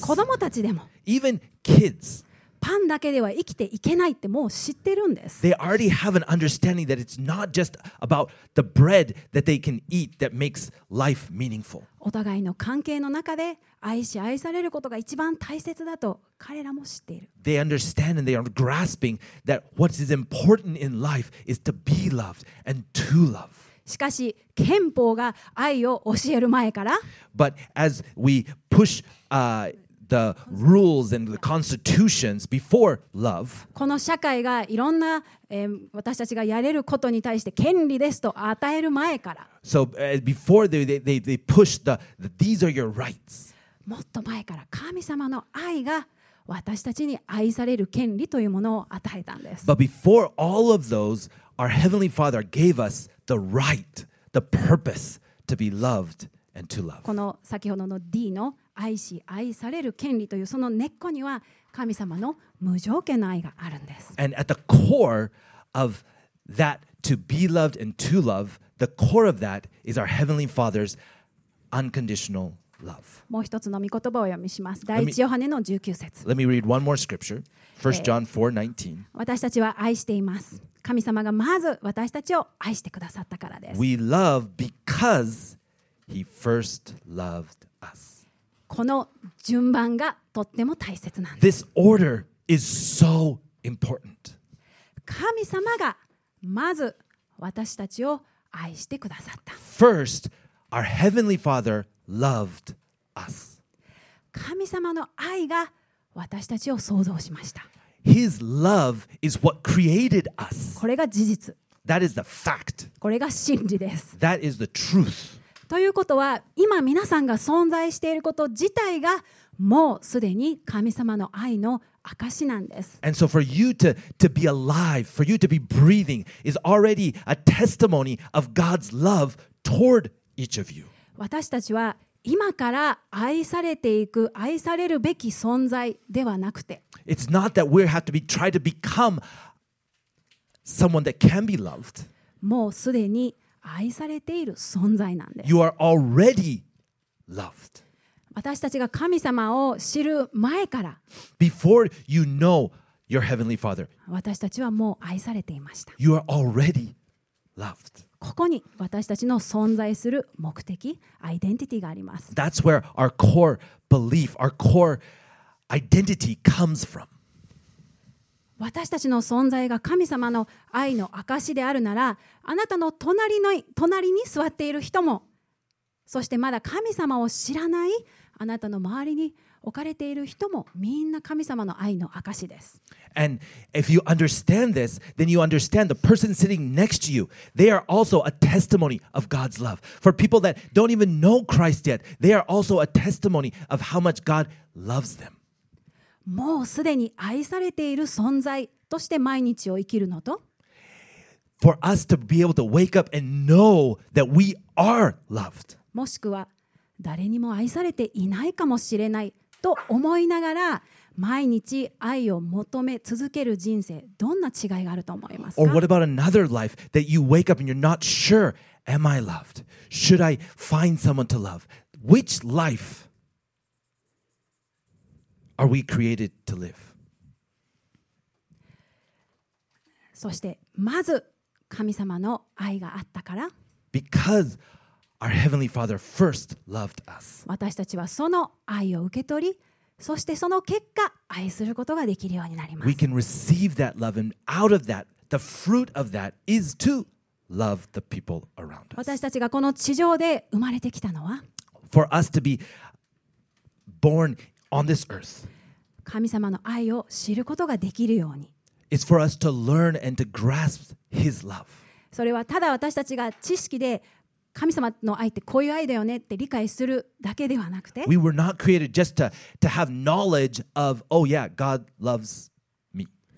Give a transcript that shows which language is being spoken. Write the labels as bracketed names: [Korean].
[Japanese] 子供たちでも、 [English] Even kids, [Japanese] パンだけでは生きていけないってもう知ってるんです。 [English] They already have an understanding that it's not just about the bread that they can eat that makes life meaningful. [Japanese] お互いの関係の中で、愛し愛されることが一番大切だと彼らも知っている。 [English] They understand and they are grasping that what is important in life is to be loved and to love. [Japanese] しかし憲法が愛を教える前から、 [English] But as we push the rules and the constitutions before love, [Japanese] この社会がいろんな、私たちがやれることに対して権利ですと与える前から、 [English] So before they push the these are your rights. [Japanese] もっと前から神様の愛が私たちに愛される権利というものを与えたんです。 [English] But before all of those, our Heavenly Father gave us the right, the purpose to be loved and to love. [Japanese] この先ほどの D の愛し愛される権利というその根っこには神様の無条件の愛があるんです。 [English] And at the core of that to be loved and to love, the core of that is our Heavenly Father's unconditional love. [Japanese] もう一つの御言葉を読みします。第一ヨハネの19節。 [English] Let me read one more scripture. 1 John 4:19. [Japanese] 私たちは愛しています。神様がまず私たちを愛してくださったからです。 [English] We love because he first loved us. [Japanese] この順番がとっても大切なんです。 [English] This order is so important. [Japanese] 神様がまず私たちを愛してくださった。 [English] First, our heavenly Father. Loved us. [Japanese] 神様の愛が私たちを創造しました。 [English] His love is what created us. [Japanese] これが事実。 [English] That is the fact. [Japanese] これが真理です。 [English] That is the truth. [Japanese] ということは、今皆さんが存在していること自体がもうすでに神様の愛の証なんです。 [English] And so for you to be alive, for you to be breathing, is already a testimony of God's love toward each of you. [Japanese] 私たちは今から愛されていく、愛されるべき存在ではなくて、 [English] It's not that we have to be try to become someone that can be loved. [Japanese] もうすでに愛されている存在なんです。 [English] You are already loved. [Japanese] 私たちが神様を知る前から [English] Before you know your heavenly father, [Japanese] 私たちはもう愛されていました。 [English] You are already loved. [Japanese] ここに私たちの存在する目的、アイデンティティがあります。 [English] That's where our core belief, our core identity comes from. [Japanese] 私たちの存在が神様の愛の証であるなら、あなたの隣に座っている人も、そしてまだ神様を知らないあなたの周りに置かれている人もみんな神様の愛の証です。 [English] And if you understand this, then you understand the person sitting next to you, they are also a testimony of God's love. For people that don't even know Christ yet, they are also a testimony of how much God loves them. [Japanese] もうすでに愛されている存在として毎日を生きるのと、 [English] For us to be able to wake up and know that we are loved. [Japanese] もしくは誰にも愛されていないかもしれないと思いながら毎日愛を求め続ける人生どんな違いがあると思いますか [English] Or what about another life that you wake up and you're not sure am I loved? Should I find someone to love? Which life are we created to live? [Japanese] そしてまず神様の愛があったから [English] BecauseOur Heavenly Father first loved us. [Japanese] 私たちはその愛を受け取り、そしてその結果愛することができるようになります。 [English] We can receive that love, and out of that, the fruit of that is to love the people around us. [Japanese] 私たちがこの地上で生まれてきたのは、 [English] For us to be born on this earth, [Japanese] 神様の愛を知ることができるように、 [English] It's for us to learn and to grasp His love. [Japanese] それはただ私たちが知識で神様の愛ってこういう愛だよねって理解するだけではなくて [English] We were not created just to have knowledge of Oh yeah, God loves me